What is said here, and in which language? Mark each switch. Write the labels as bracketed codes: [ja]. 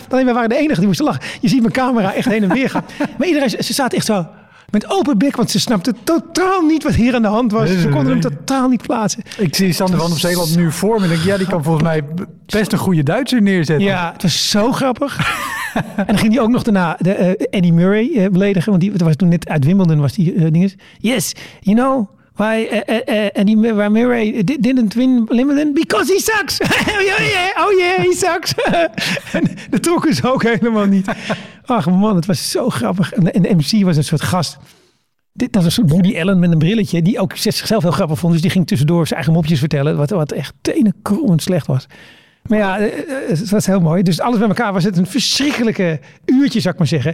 [nl] Alleen wij waren de enige die moesten lachen. Je ziet mijn camera echt heen en weer gaan. Maar iedereen, ze zaten echt zo met open bek, want ze snapte totaal niet wat hier aan de hand was. Ze konden hem totaal niet plaatsen. Ik zie Sander van op Zeeland nu voor me. Ja, die kan volgens mij best een goede Duitser neerzetten. Ja, het was zo grappig. En dan ging hij ook nog daarna Eddie Murray beledigen. Want die was toen net uit Wimbledon was die ding is. [en] Yes, you know why Eddie Murray didn't win Wimbledon? Because he sucks. Oh yeah, he sucks. [nl] En dat trokken ze ook helemaal niet. Ach man, het was zo grappig. En de MC was een soort gast. Dat was een soort Woody Allen met een brilletje. Die ook zichzelf heel grappig vond. Dus die ging tussendoor zijn eigen mopjes vertellen. Wat echt tenenkrommend slecht was. Maar ja, het was heel mooi. Dus alles bij elkaar was het een verschrikkelijke uurtje, zou ik maar zeggen.